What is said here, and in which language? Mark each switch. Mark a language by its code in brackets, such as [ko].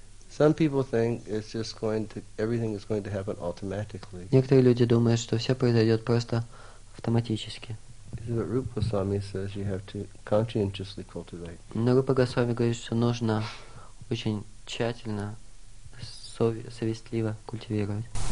[en] Some people think it's just going to everything is going to happen automatically. [ru] Некоторые люди думают, что все произойдет просто автоматически. [en] But Rupa Goswami says you have to conscientiously cultivate. [ru] Но Рупа Госвами говорит, что нужно очень тщательно, совестливо культивировать.